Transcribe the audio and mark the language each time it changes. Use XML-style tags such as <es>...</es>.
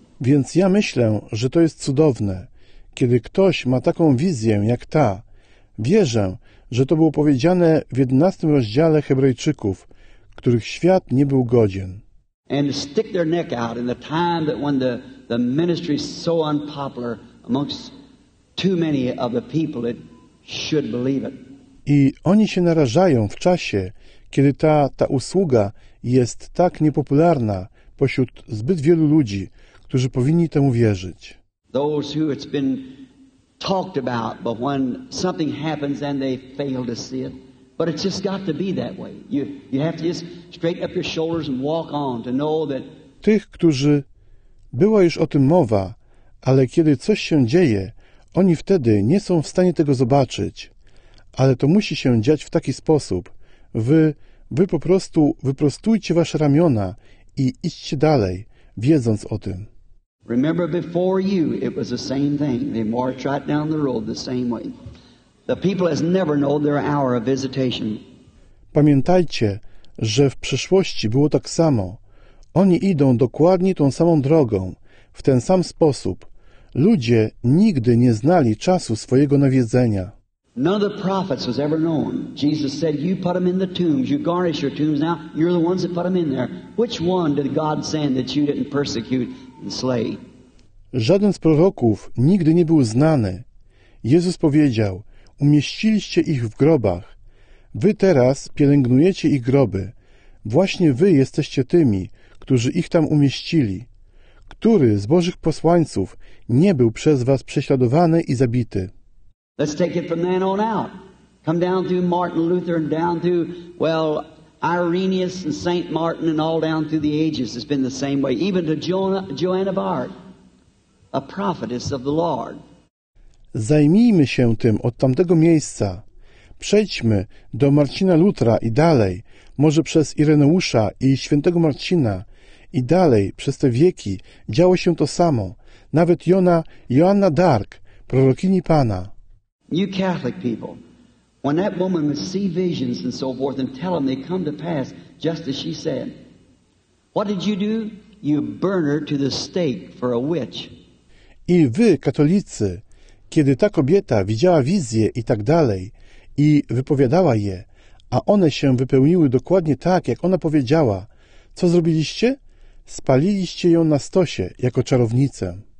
<pl>Więc ja myślę, że to jest cudowne. Kiedy ktoś ma taką wizję jak ta, wierzę, że to było powiedziane w 11 rozdziale Hebrajczyków, których świat nie był godzien.</pl> <en>And stick their neck out in the time that when the ministry is so unpopular amongst too many of the people that should believe it.</en> <pl>I oni się narażają w czasie, kiedy ta usługa jest tak niepopularna pośród zbyt wielu ludzi, którzy powinni temu wierzyć.</pl> <en>Those who it's been talked about, but when something happens and they fail to see it. But it's just got to be that way. You have to just straighten up your shoulders and walk on to know that.</en> <pl>Tych, którzy była już o tym mowa, ale kiedy coś się dzieje, oni wtedy nie są w stanie tego zobaczyć. Ale to musi się dziać w taki sposób. Wy po prostu wyprostujcie wasze ramiona i idźcie dalej, wiedząc o tym.</pl> <en>Remember before you, it was the same thing. They marched right down the road the same way. The people has never known their hour of visitation.</en> <pl>Pamiętajcie, że w przeszłości było tak samo. Oni idą dokładnie tą samą drogą, w ten sam sposób. Ludzie nigdy nie znali czasu swojego nawiedzenia.</pl> <en>None of the prophets was ever known. Jesus said, you put them in the tombs, you garnish your tombs now, you're the ones that put them in there. Which one did God send that you didn't persecute?</en> <pl>Żaden z proroków nigdy nie był znany. Jezus powiedział, umieściliście ich w grobach. Wy teraz pielęgnujecie ich groby. Właśnie wy jesteście tymi, którzy ich tam umieścili. Który z Bożych posłańców nie był przez was prześladowany i zabity?</pl> <en>Let's take it from then on out. Come down through Martin Luther and down through, well, Irenaeus and Saint Martin and all down through the ages has been the same way. Even to Joanna of Arc, a prophetess of the Lord.</en> <pl>Zajmijmy się tym od tamtego miejsca. Przejdźmy do Marcina Lutra i dalej, może przez Ireneusza i świętego Marcina i dalej przez te wieki działo się to samo. Nawet Joanna d'Arc, prorokini Pana.</pl> <en>New Catholic people. When that woman would see visions and so forth and tell them they come to pass, just as she said, what did you do? You burn her to the stake for a witch.</en> <pl>I wy, katolicy, kiedy ta kobieta widziała wizje i tak dalej i wypowiadała je, a one się wypełniły dokładnie tak, jak ona powiedziała, co zrobiliście? Spaliliście ją na stosie jako czarownicę.</pl>